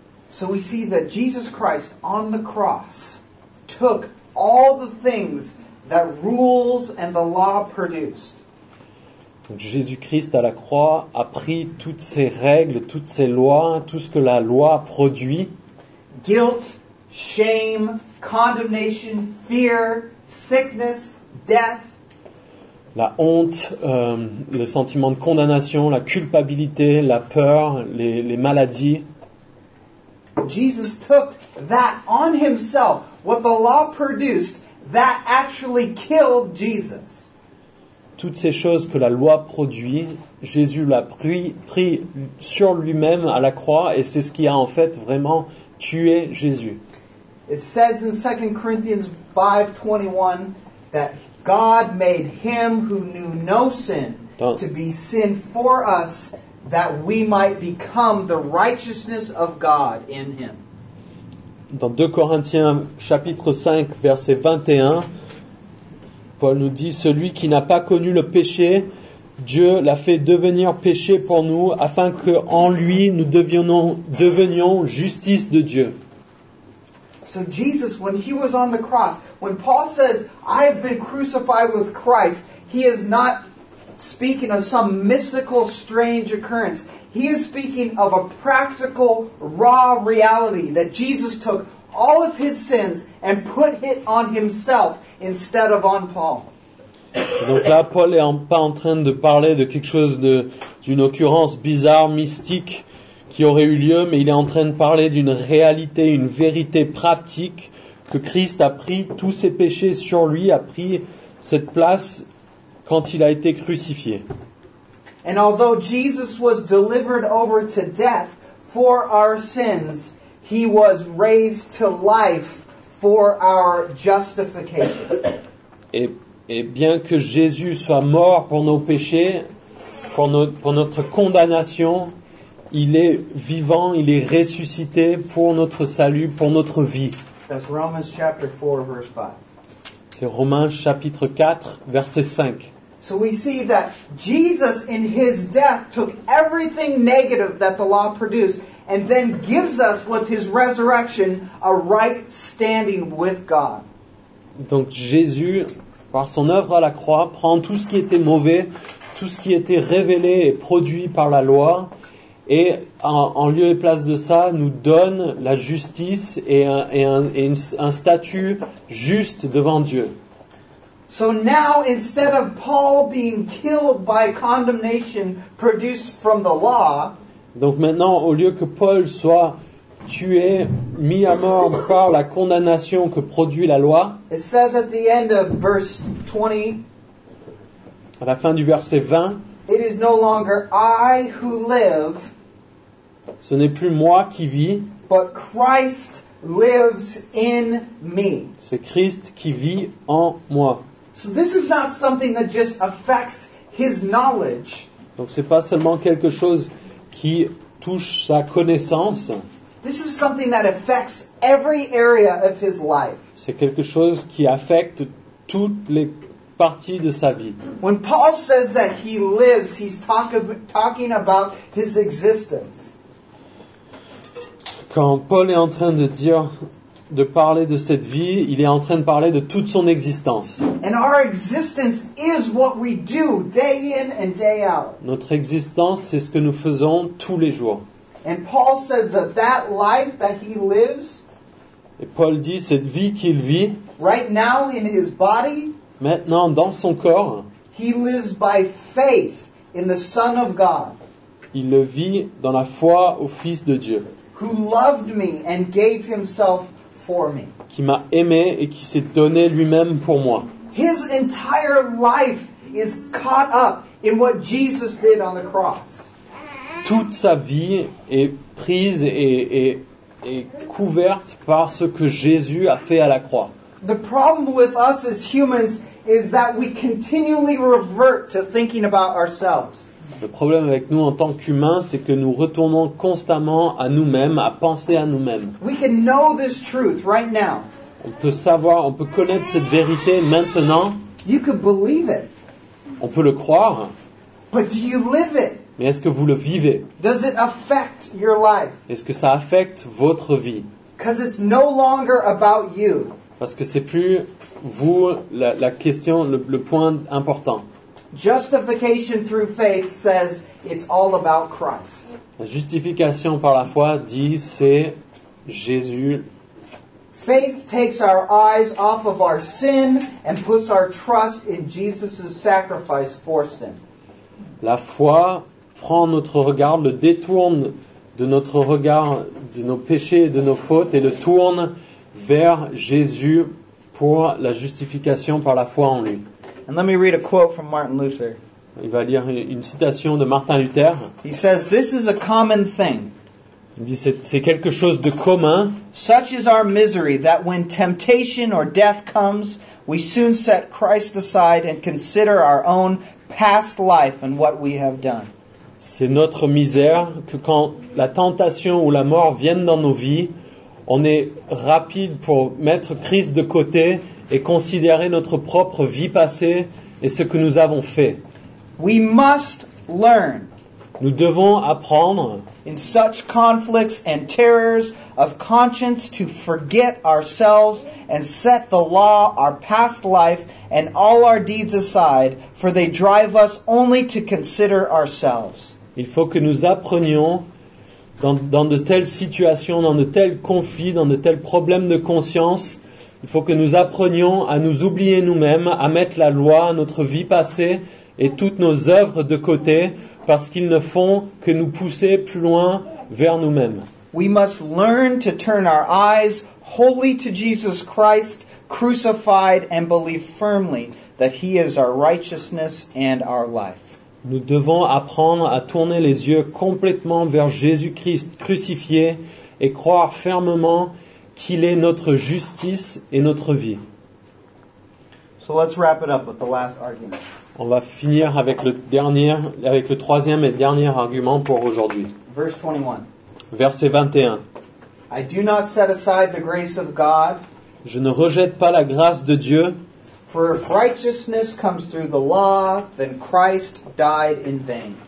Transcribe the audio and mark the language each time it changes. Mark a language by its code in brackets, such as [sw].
[en] So we see that Jesus Christ on the cross took all the things that rules and the law produced. [fr] Donc Jésus-Christ à la croix a pris toutes ces règles, toutes ces lois, tout ce que la loi produit. [en] Guilt. Shame, condemnation, fear, sickness, death. [fr] La honte, le sentiment de condamnation, la culpabilité, la peur, les maladies. [en] Jesus took that on himself, what the law produced, that actually killed Jesus. [fr] Toutes ces choses que la loi produit, Jésus l'a pris sur lui-même à la croix, et c'est ce qui a en fait vraiment tué Jésus. [en] It says in 2 Corinthians 5:21 that God made him who knew no sin to be sin for us, that we might become the righteousness of God in him. [fr] Dans 2 Corinthiens chapitre 5 verset 21, Paul nous dit: celui qui n'a pas connu le péché, Dieu l'a fait devenir péché pour nous, afin que en lui nous devenions justice de Dieu. [en] So Jesus, when he was on the cross, when Paul says, I have been crucified with Christ, he is not speaking of some mystical strange occurrence. He is speaking of a practical, raw reality that Jesus took all of his sins and put it on himself instead of on Paul. [fr] Donc là, Paul n'est pas en train de parler de quelque chose d'une occurrence bizarre, mystique, qui aurait eu lieu, mais il est en train de parler d'une réalité, une vérité pratique, que Christ a pris tous ses péchés sur lui, a pris cette place quand il a été crucifié. [en] And although Jesus was delivered over to death for our sins, he was raised to life for our justification. [fr] Et bien que Jésus soit mort pour nos péchés, pour notre condamnation, il est vivant, il est ressuscité pour notre salut, pour notre vie. [en] That's Romans chapter 4, verse 5. [fr] C'est Romains chapitre 4, verset 5. [en] So we see that Jesus in his death took everything negative that the law produced and then gives us with his resurrection a right standing with God. [fr] Donc Jésus, par son œuvre à la croix, prend tout ce qui était mauvais, tout ce qui était révélé et produit par la loi, et en lieu et place de ça, nous donne la justice et un statut juste devant Dieu. [en] So now, instead of Paul being killed by condemnation produced from the law, [fr] donc maintenant, au lieu que Paul soit tué, mis à mort par la condamnation que produit la loi, [en] it says at the end of verse 20, [fr] à la fin du verset 20, [en] it is no longer I who live, [fr] ce n'est plus moi qui vis, [en] but Christ lives in me. [fr] C'est Christ qui vit en moi. [en] So this is not something that just affects his knowledge. [fr] Donc c'est pas seulement quelque chose qui touche sa connaissance. [en] This is something that affects every area of his life. [fr] C'est quelque chose qui affecte toutes les parties de sa vie. [en] When Paul says that he lives, he's talking about his existence. [fr] Quand Paul est en train de dire de parler de cette vie, il est en train de parler de toute son existence. [en] And our existence is what we do day in and day out. [fr] Notre existence, c'est ce que nous faisons tous les jours. [en] And Paul says that that life that he lives, [fr] et Paul dit cette vie qu'il vit, [en] right now in his body, [fr] maintenant dans son corps, [en] he lives by faith in the Son of God. [fr] Il le vit dans la foi au Fils de Dieu. [en] Who loved me and gave himself for me. [fr] Qui m'a aimé et qui s'est donné lui-même pour moi. [en] His entire life is caught up in what Jesus did on the cross. [fr] Toute sa vie est prise et couverte par ce que Jésus a fait à la croix. [en] The problem with us as humans is that we continually revert to thinking about ourselves. [fr] Le problème avec nous en tant qu'humains, c'est que nous retournons constamment à nous-mêmes, à penser à nous-mêmes. [en] We can know this truth right now. [fr] On peut savoir, on peut connaître cette vérité maintenant. [en] You can believe it. [fr] On peut le croire. [en] But do you live it? [fr] Mais est-ce que vous le vivez? [en] Does it affect your life? [fr] Est-ce que ça affecte votre vie? [en] 'Cause it's no longer about you. [fr] Parce que c'est plus vous la question, le point important. [en] Justification through faith says it's all about Christ. [fr] La justification par la foi dit c'est Jésus. [en] Faith takes our eyes off of our sin and puts our trust in Jesus' sacrifice for sin. [fr] La foi prend notre regard, le détourne de notre regard de nos péchés et de nos fautes et le tourne vers Jésus pour la justification par la foi en lui. [en] And let me read a quote from Martin Luther. [fr] Il va lire une citation de Martin Luther. [en] He says, "This is a common thing." [fr] Il dit, c'est quelque chose de commun. [en] "Such is our misery that when temptation or death comes, we soon set Christ aside and consider our own past life and what we have done." [fr] C'est notre misère que quand la tentation ou la mort viennent dans nos vies, on est rapide pour mettre Christ de côté et considérer notre propre vie passée et ce que nous avons fait. [en] We must learn. [fr] Nous devons apprendre. [en] In such conflicts and terrors of conscience, to forget ourselves and set the law, our past life, and all our deeds aside, for they drive us only to consider ourselves. [fr] Il faut que nous apprenions dans de telles situations, dans de tels conflits, dans de tels problèmes de conscience, il faut que nous apprenions à nous oublier nous-mêmes, à mettre la loi, notre vie passée et toutes nos œuvres de côté, parce qu'ils ne font que nous pousser plus loin vers nous-mêmes. [en] We must learn to turn our eyes wholly to Jesus Christ, crucified, and believe firmly that He is our righteousness and our life. [fr] Nous devons apprendre à tourner les yeux complètement vers Jésus-Christ crucifié et croire fermement qu'il est notre justice et notre vie. [en] So let's wrap it up with the last argument. [fr] On va finir avec le troisième et dernier argument pour aujourd'hui. [en] Verse 21. [fr] Verset 21. [en] I do not set aside the grace of God. [fr] Je ne rejette pas la grâce de Dieu. [en] For if righteousness comes through the law, then Christ died in vain.